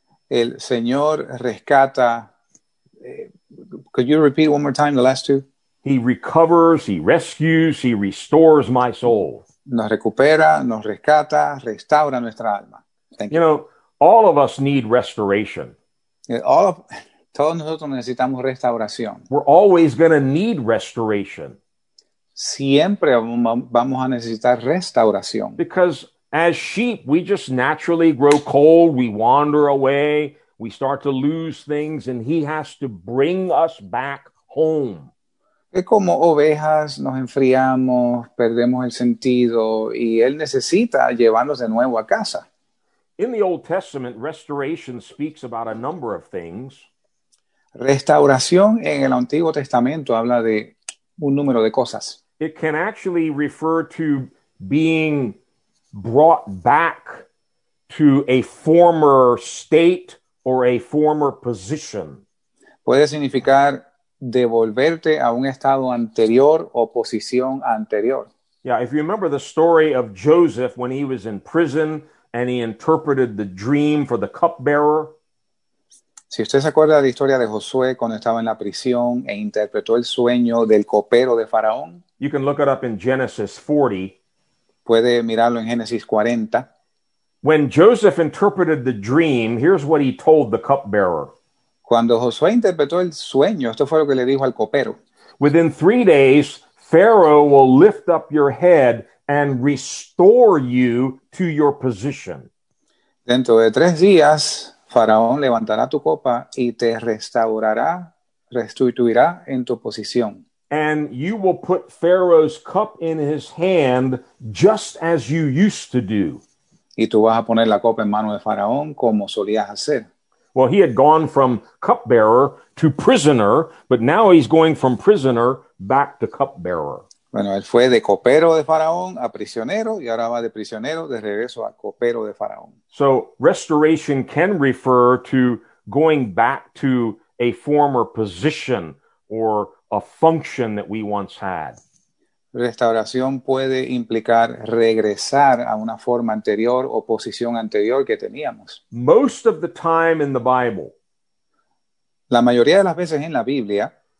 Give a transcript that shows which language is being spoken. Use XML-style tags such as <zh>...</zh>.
<es>El Señor rescata.</es> <en>Could you repeat one more time the last two? He recovers. He rescues. He restores my soul.</en> <es>Nos recupera, nos rescata, restaura nuestra alma.</es> <en>Thank you. You know, all of us need restoration.</en> <es>Todos nosotros necesitamos restauración.</es> <en>We're always going to need restoration.</en> <es>Siempre vamos a necesitar restauración.</es> <en>Because as sheep, we just naturally grow cold, we wander away, we start to lose things, and he has to bring us back home.</en> <es>Es como ovejas, nos enfriamos, perdemos el sentido, y él necesita llevarnos de nuevo a casa.</es> <en>In the Old Testament, restoration speaks about a number of things.</en> <es>Restauración en el Antiguo Testamento habla de un número de cosas.</es> <en>It can actually refer to being brought back to a former state or a former position.</en> <es>Puede significar devolverte a un estado anterior o posición anterior.</es> <en>Yeah, if you remember the story of Joseph when he was in prison and he interpreted the dream for the cupbearer.</en> <es>Si usted se acuerda de la historia de Josué cuando estaba en la prisión e interpretó el sueño del copero de Faraón.</es> <en>You can look it up in Genesis 40.</en> <es>Puede mirarlo en Génesis 40.</es> <en>When Joseph interpreted the dream, here's what he told the cupbearer.</en> <es>Cuando Josué interpretó el sueño, esto fue lo que le dijo al copero.</es> <en>Within 3 days, Pharaoh will lift up your head and restore you to your position.</en> <es>Dentro de 3 días, Faraón levantará tu copa y te restaurará, restituirá en tu posición.</es> <en>And you will put Pharaoh's cup in his hand just as you used to do.</en> <es>Y tú vas a poner la copa en mano de Faraón como solías hacer.</es> <en>Well, he had gone from cupbearer to prisoner, but now he's going from prisoner back to cupbearer.</en> <es>Bueno, él fue de copero de Faraón a prisionero, y ahora va de prisionero de regreso a copero de Faraón.</es> <en>So, restoration can refer to going back to a former position or a function that we once had.</en> <es>Restauración puede implicar regresar a una forma anterior o posición anterior que teníamos.</es> <en>Most of the time in the Bible,</en> <es>la mayoría de las veces en la Biblia,</es>